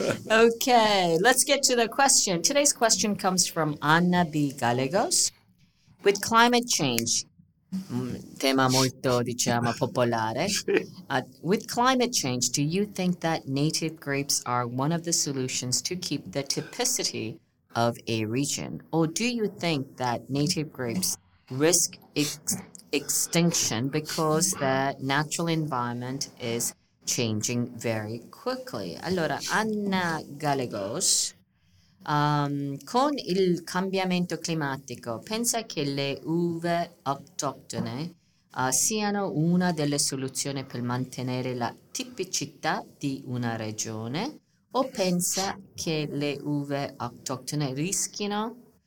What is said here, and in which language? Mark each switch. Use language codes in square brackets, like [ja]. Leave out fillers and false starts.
[en] Ok, let's get to the question. Today's question comes from Anna B. Gallegos. With climate change, [it] tema molto, diciamo, popolare. [en] With climate change, do you think that native grapes are one of the solutions to keep the typicity of a region? Or do you think that native grapes risk extinction because the natural environment is changing very quickly? [it] Allora, Anna Gallegos, con il cambiamento climatico, pensa che le uve autoctone siano una delle soluzioni per mantenere la tipicità di una regione, o pensa che le uve autoctone rischino